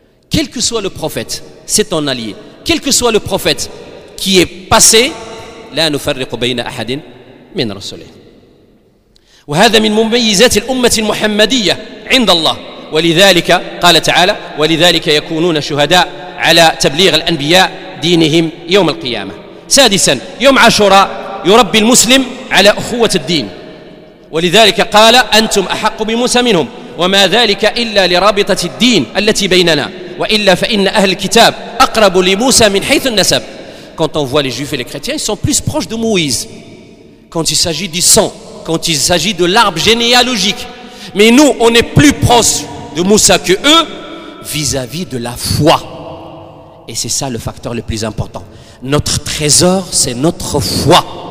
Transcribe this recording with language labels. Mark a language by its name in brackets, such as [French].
[French] Quel que soit le prophète, c'est ton allié. Quel que soit le prophète qui est passé, [Arabic] لا نفرق بين أحد من رسله. وهذا من مميزات الأمة المحمدية عند الله. ولذلك قال تعالى ولذلك يكونون شهداء على تبليغ الأنبياء دينهم يوم القيامة. سادسا يوم عاشوراء يربي المسلم على أخوة الدين ولذلك قال أنتم أحق بموسى منهم وما ذلك إلا لرابطة الدين التي بيننا وإلا فإن أهل الكتاب أقرب لموسى من حيث النسب. [French] Quand on voit les juifs et les chrétiens, ils sont plus proches de Moïse quand il s'agit du sang, quand il s'agit de l'arbre généalogique. Mais nous, on est plus proches de Moussa que eux vis-à-vis de la foi. Et c'est ça le facteur le plus important. Notre trésor, c'est notre foi.